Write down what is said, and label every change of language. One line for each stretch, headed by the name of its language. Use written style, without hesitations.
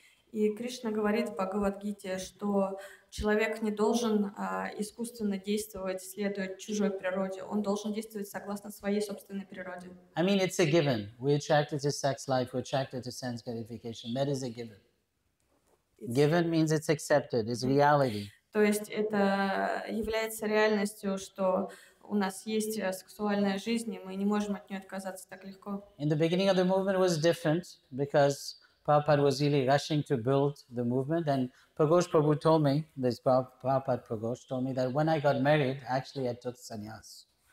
Russian: И Кришна говорит в Бхагавад-гите, что человек не должен искусственно действовать, следуя чужой природе. Он должен действовать согласно своей собственной природе.
English: I mean, it's a given. We're attracted to sex life, we're attracted to sense gratification. That is a given. Given means it's accepted, it's reality.
Russian: То есть это является реальностью, что у нас есть сексуальная жизнь, и мы не можем от нее отказаться так легко.
English: In the beginning of the movement was different, because Prabhupada was really rushing to build the movement, and Pragosh Prabhu told me, this Prabhupada Pragosh told me that when I got married, actually I took sannyas.